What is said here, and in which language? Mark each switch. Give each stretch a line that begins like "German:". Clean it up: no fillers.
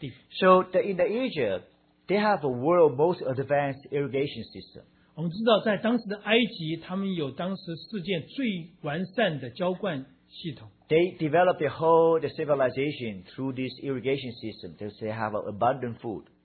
English: so the, in the Egypt, they have a world most advanced irrigation system.
Chinese: 我们知道在当时的埃及,他们有当时世界最完善的浇灌系统。
English: They developed a whole civilization through this irrigation system because they have abundant food.